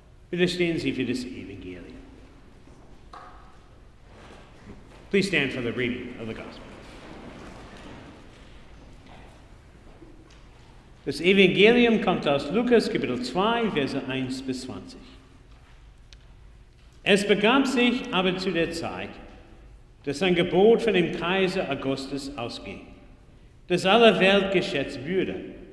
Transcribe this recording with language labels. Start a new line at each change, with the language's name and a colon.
German: Widerstehen Sie für das Evangelium.
English: Please stand for the reading of the Gospel.
German: Das Evangelium kommt aus Lukas, Kapitel 2, Verse 1 bis 20. Es begab sich aber zu der Zeit, dass ein Gebot von dem Kaiser Augustus ausging, das aller Welt geschätzt würde.